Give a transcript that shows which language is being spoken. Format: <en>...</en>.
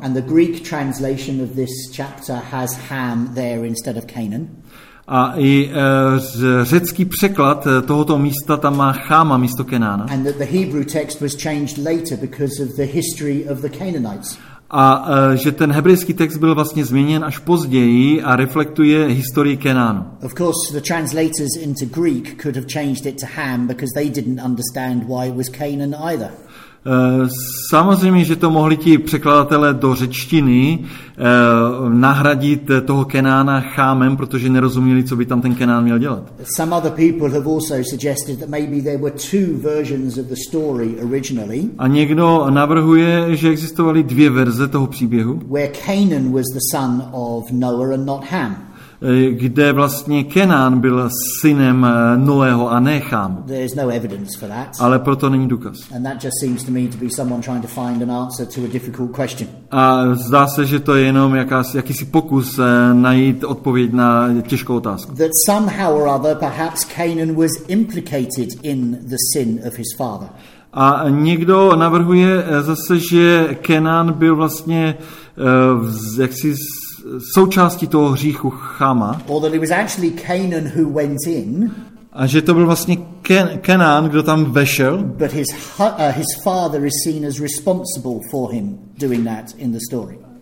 <en>And the Greek translation of this chapter has Ham there instead of Canaan.</en> <cs>A i řecký překlad tohoto místa tam má Chama místo Kenána.</cs> <en>And that the Hebrew text was changed later because of the history of the Canaanites.</en> <cs>A že ten hebrejský text byl vlastně změněn až později a reflektuje historii Kenánu.</cs> <en>Of course the translators into Greek could have changed it to Ham because they didn't understand why it was Canaan either.</en> <cs>Samozřejmě, že to mohli ti překladatelé do řečtiny nahradit toho Kenána Chámem, protože nerozuměli, co by tam ten Kenán měl dělat.</cs> <en>Some other people have also suggested that maybe there were two versions of the story originally.</en> <cs>A někdo navrhuje, že existovaly dvě verze toho příběhu.</cs> <en>Where Canaan was the son of Noah and not Ham.</en> <cs>Kde vlastně Kenán byl synem Noého a ne Chám.</cs> <en>There's no evidence for that.</en> <cs>Ale proto není důkaz.</cs> <en>And that just seems to me to be someone trying to find an answer to a difficult question.</en> <cs>A zdá se, že to je jenom jakýsi pokus najít odpověď na těžkou otázku.</cs> <en>That somehow or other perhaps Canaan was implicated in the sin of his father.</en> <cs>A někdo navrhuje zase, že Kenán byl vlastně jaksi součástí toho hříchu Chama.</cs> <en>Or that it was actually Canaan who went in.</en> <cs>A že to byl vlastně Kenán, kdo tam vešel.</cs> <en>But his father is seen as responsible for him doing that in the story.</en>